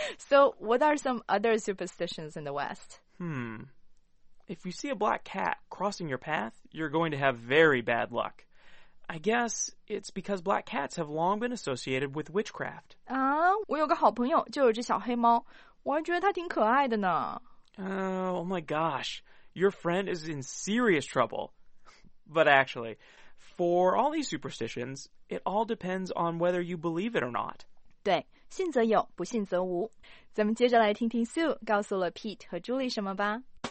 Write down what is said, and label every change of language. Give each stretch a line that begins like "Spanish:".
English: So, what are some other superstitions in the West? If you see a black cat crossing your path, you're going to have very bad luck. I guess it's because black cats have long been associated with witchcraft.
Chinese: 我有个好朋友就有只小黑猫，我还觉得它挺可爱的呢。
English: Oh my gosh, your friend is in serious trouble. But actually, for all these superstitions, it all depends on whether you believe it or not.
Chinese: 对，信则有，不信则无。咱们接着来听听 Sue 告诉了 Pete 和 Julie 什么吧。